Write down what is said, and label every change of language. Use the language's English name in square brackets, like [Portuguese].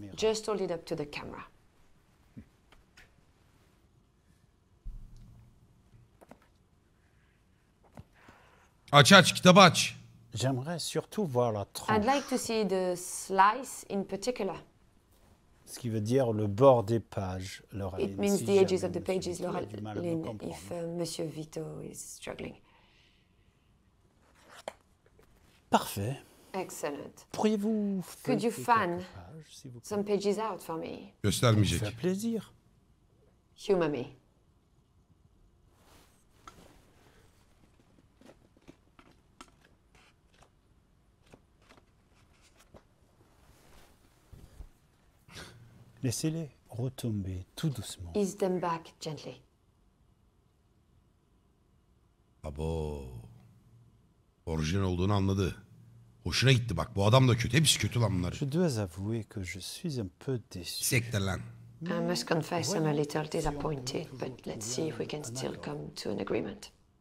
[English] Just hold it up to the camera. [Turkish] Aç aç, kitabı aç. [French] J'aimerais surtout voir la tranche. [English] I'd like to see the slice in particular. [French] Ce qui veut dire le bord des pages, Laureline. [English] It means the edges of the pages, Laureline, if Monsieur Vito is struggling. [French] Parfait. [English] Excellent. [French] Pourriez-vous [English] could you fan pages, [French] si vous [English] some pages out for me? [Turkish] Göstermeyecek. [French] Ça fait plaisir. [English] Humor me. [French] Laissez-les retomber tout doucement. [English] Ease them back gently. [Turkish] Ah bon. Orijinal olduğunu anladı. Hoşuna gitti bak. Bu adam da kötü. Hepsi kötü lan bunlar. [French] Je dois avouer que je suis un peu déçu. [Turkish] Siktir lan. [English] I must confess I'm a little disappointed, but let's see if we can still come to an agreement.